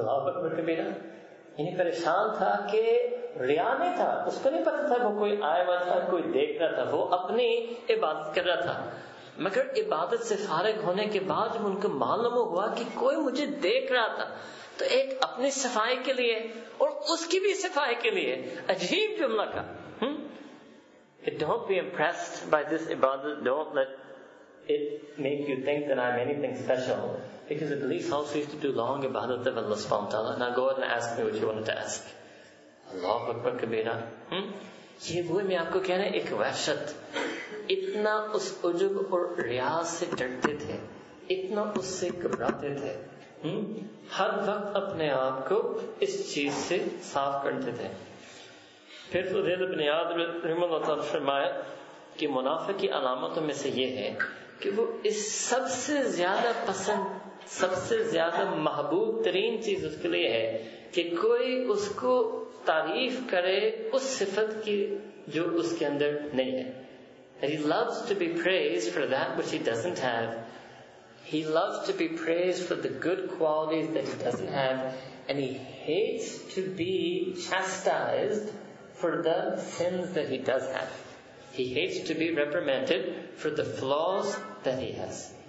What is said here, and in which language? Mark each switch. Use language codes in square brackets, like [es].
[ur] اللہ اکبر کبیرہ, یہ پریشان تھا کہ ریا نہیں تھا, اس کو نہیں پتا تھا وہ کوئی آئے ہوا تھا, کوئی دیکھ رہا تھا, وہ اپنی عبادت کر رہا تھا, مگر عبادت سے فارغ ہونے کے بعد جب ان کو معلوم ہوا کہ کوئی مجھے دیکھ رہا تھا, تو ایک اپنی صفائی کے لیے اور اس کی بھی صفائی کے لیے, عجیب جملہ کا. [en] Hey, don't be impressed by this ibadah, don't let it make you think that I'm anything special, because at least also used to do long ibadah of Allah subhanahu wa ta'ala. Now go ahead and ask me what you wanted to ask. [ar] Allahu Akbar kabira. [ur] یہ وہ میں آپ کو کہہ رہا ہوں, ایک وحشت, اتنا اس عجب اور ریا سے ڈرتے تھے, اتنا اس سے گھبراتے تھے, ہر وقت اپنے آپ کو اس چیز سے صاف کرتے تھے. پھر فضیل بن عیاض رحمۃ اللہ تعالیٰ فرمایا کہ منافق کی علامتوں میں سے یہ ہے کہ وہ اس سب سے زیادہ پسند, سب سے زیادہ محبوب ترین چیز اس کے لیے ہے کہ کوئی اس کو تعریف کرے اس صفت کی جو اس کے اندر نہیں ہے. [en] that he loves to be praised for that which he doesn't have. He loves to be praised for the good qualities that he doesn't have, and he hates to be chastised for the sins that he does have. He hates to be reprimanded for the flaws that he has.